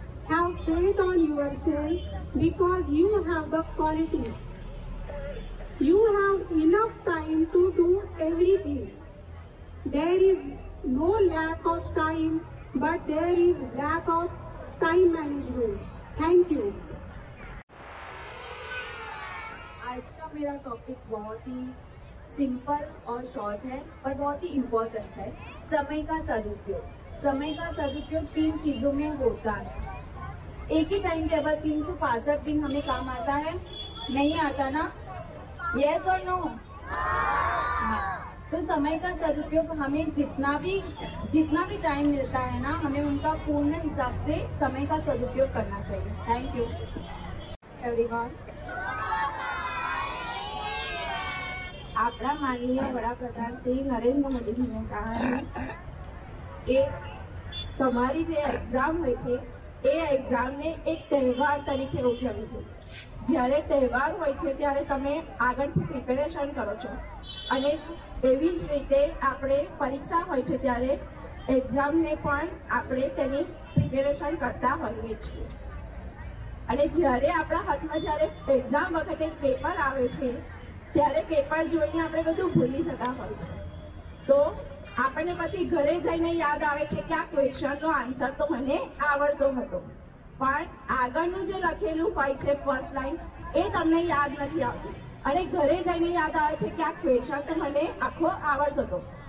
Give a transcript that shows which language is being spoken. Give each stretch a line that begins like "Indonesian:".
English: Have faith on yourself because you have the quality. You have enough time to do everything. There is no lack of time, but there is lack of time management. Thank you.
Hindi: आज का मेरा topic बहुत ही simple और short है, पर बहुत ही important है। समय का सदुपयोग। समय का सदुपयोग तीन चीजों में होता है। एक ही टाइम टेबल 365 दिन हमें काम आता है, नहीं आता ना? यस और नो? तो समय का सदुपयोग हमें जितना भी टाइम मिलता है ना, हमें उनका पूर्ण हिसाब से समय का सदुपयोग करना चाहिए।
English: Thank you everyone.
Gujarati: आपका माननीय वडाप्रधान श्री नरेंद्र मोदी ने कहा है कि तुम्हारी जे एग्जाम हो छे ए एग्जाम ने एक त्योहार तरीके उठावी छे। જ્યારે તહેવાર હોય છે ત્યારે તમે આગળથી પ્રિપેરેશન કરો છો, અને એવી જ રીતે આપણે પરીક્ષા હોય છે ત્યારે એક્ઝામને પણ આપણે તેની પ્રિપેરેશન કરતા હોઈએ છીએ। અને જ્યારે આપણા હાથમાં જ્યારે એક્ઝામ વખતે પેપર આવે છે ત્યારે પેપર જોઈને આપણે બધું ભૂલી જતા હોય છે, તો આપણને પછી ઘરે જઈને યાદ આવે છે કે આ ક્વેશ્ચનનો આન્સર તો મને આવડતો હતો, પણ આગળનું જે લખેલું હોય છે ફર્સ્ટ લાઈન એ તમને યાદ નથી આવતું, અને ઘરે જઈને યાદ આવે છે કે આ ક્વેશ્ચન તો મને આખો આવડતો હતો।